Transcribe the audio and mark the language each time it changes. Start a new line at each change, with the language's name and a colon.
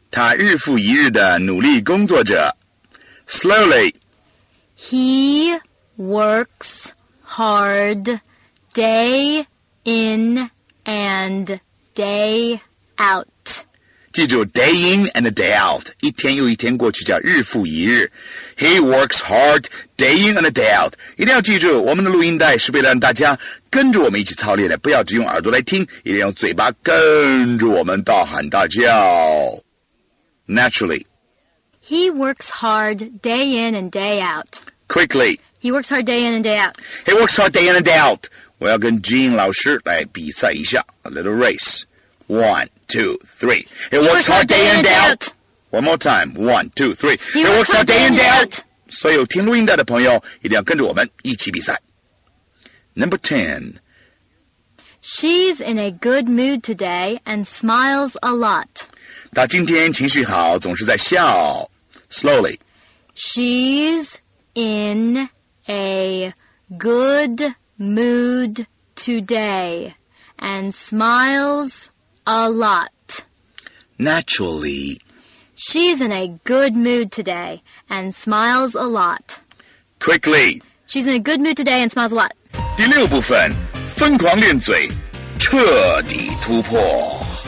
Chinese: 他日复一日的努力工作着。
English: Slowly. He works hard day in and day out.
Chinese: 记住
English: day in and day out.
Chinese: 一天又一天过去叫日复一日。
English: He works hard day in and day out.
Chinese: 一定要记住我们的录音带是为了让大家跟着我们一起操练的，不要只用耳朵来听，一定用嘴巴跟着我们大喊大叫。
English: Naturally. He works hard day in and day out. Quickly. He works hard day in and day out. He works hard day in and day out.
Chinese: 我要跟 Jean 老师来比赛一下 ,
English: a little race. 1, 2, 3. He works hard day in and day out. One more time. 1, 2, 3. He works hard day in and day out.
Chinese: 所有听录音带的朋友一定要跟着我们一起比赛。
English: Number 10. She's in a good mood today and smiles a lot.
Chinese: 她今天情绪好，总是在笑。
English: Slowly. She's in a good mood today and smiles a lot. Naturally. She's in a good mood today and smiles a lot. Quickly. She's in a good mood today and smiles a lot.
Chinese: 第六部分，疯狂练嘴，彻底突破。